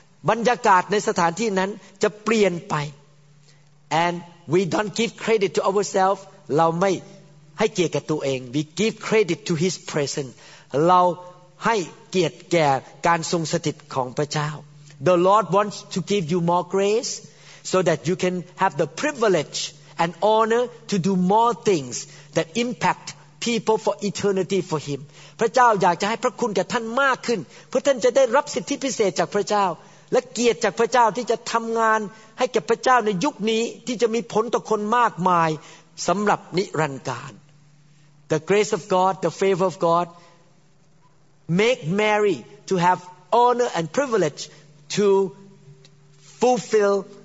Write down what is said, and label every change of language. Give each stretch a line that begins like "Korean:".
Thai: บรรยากาศในสถานที่นั้นจะเปลี่ยนไป
English: And we don't give credit to ourselves.
Thai: เราไม่ให้เกียรติแก่ตัวเอง
English: We give credit to His presence.
Thai: เราให้เกียรติแก่การทรงสถิตของพระเจ้า
English: The Lord wants to give you more grace. So that you can have the privilege and honor to do more things that impact people for eternity for Him.
Thai: พระเจ้าอยากจะให้พระคุณแก่ท่านมากขึ้นเพื่อท่านจะได้รับสิทธิพิเศษจากพระเจ้าและเกียรติจากพระเจ้าที่จะทำงานให้กับพระเจ้าในยุคนี้ที่จะมีผลต่อคนมากมายสำหรับนิรันดร์กาล
English: The grace of God, the favor of God, make Mary to have honor and privilege to fulfill.